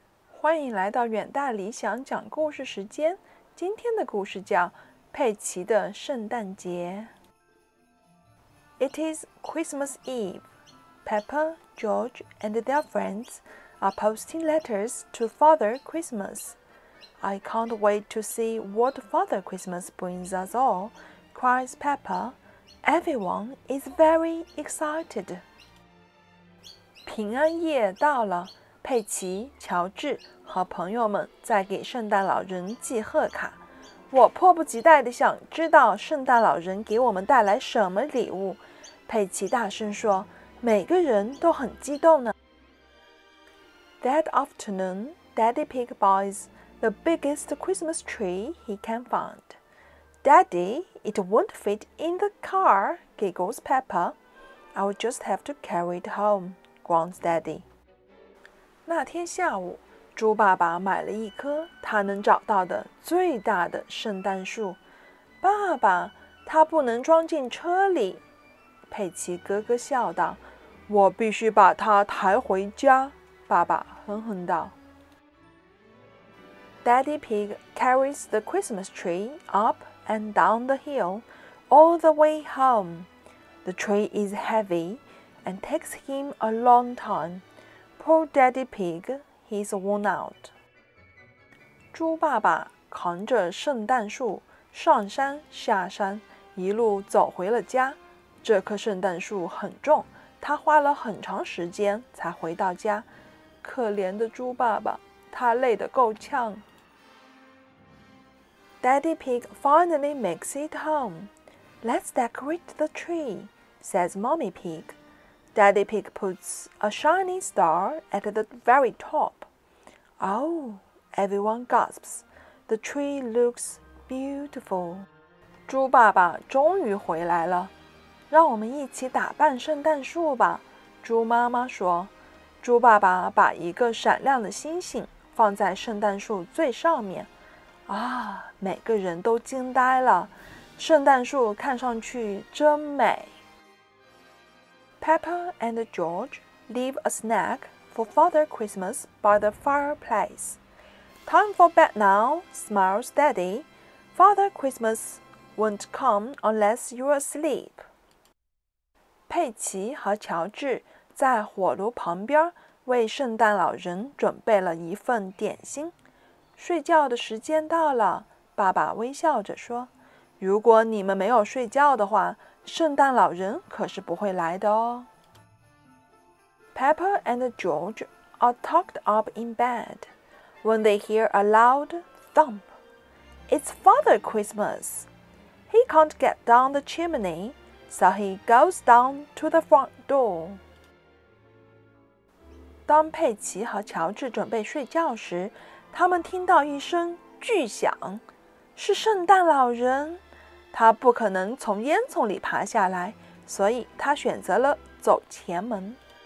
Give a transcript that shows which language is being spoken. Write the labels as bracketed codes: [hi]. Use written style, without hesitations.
[zh] 欢迎来到远大理想讲故事时间。今天的故事叫佩琦的圣诞节。 [en] It is Christmas Eve. Peppa, George, and their friends are posting letters to Father Christmas. I can't wait to see what Father Christmas brings us all, cries Peppa. Everyone is very excited. [zh] 平安夜到了，佩奇、乔治和朋友们在给圣诞老人寄贺卡。我迫不及待地想知道圣诞老人给我们带来什么礼物。佩奇大声说，每个人都很激动呢。 [en] That afternoon, Daddy Pig buys the biggest Christmas tree he can find. Daddy, it won't fit in the car, giggles Peppa. I'll just have to carry it home, groans Daddy. [zh] 那天下午，猪爸爸买了一棵他能找到的最大的圣诞树。爸爸，它不能装进车里。佩奇哥哥笑道，我必须把它抬回家。爸爸哼哼道。 [en] Daddy Pig carries the Christmas tree up. And down the hill, all the way home. The tree is heavy and takes him a long time. Poor Daddy Pig, he's worn out. [zh] 猪爸爸扛着圣诞树上山下山，一路走回了家。这棵圣诞树很重，他花了很长时间才回到家。可怜的猪爸爸，他累得够呛。 [en] Daddy Pig finally makes it home. Let's decorate the tree, says Mommy Pig. Daddy Pig puts a shiny star at the very top. Oh, everyone gasps. The tree looks beautiful. [zh] 猪爸爸终于回来了。让我们一起打扮圣诞树吧，猪妈妈说。猪爸爸把一个闪亮的星星放在圣诞树最上面。啊，每个人都惊呆了，圣诞树看上去真美。 [en] Peppa and George leave a snack for Father Christmas by the fireplace. Time for bed now, smiles Daddy. Father Christmas won't come unless you're asleep. [zh] 佩奇和乔治在火炉旁边为圣诞老人准备了一份点心。睡觉的时间到了，爸爸微笑着说，如果你们没有睡觉的话，圣诞老人可是不会来的哦。 [en] Peppa and George are tucked up in bed when they hear a loud thump. It's Father Christmas. He can't get down the chimney, so he goes down to the front door. [zh] 当佩奇和乔治准备睡觉时，他们听到一声巨响，是圣诞老人。他不可能从烟囱里爬下来，所以他选择了走前门。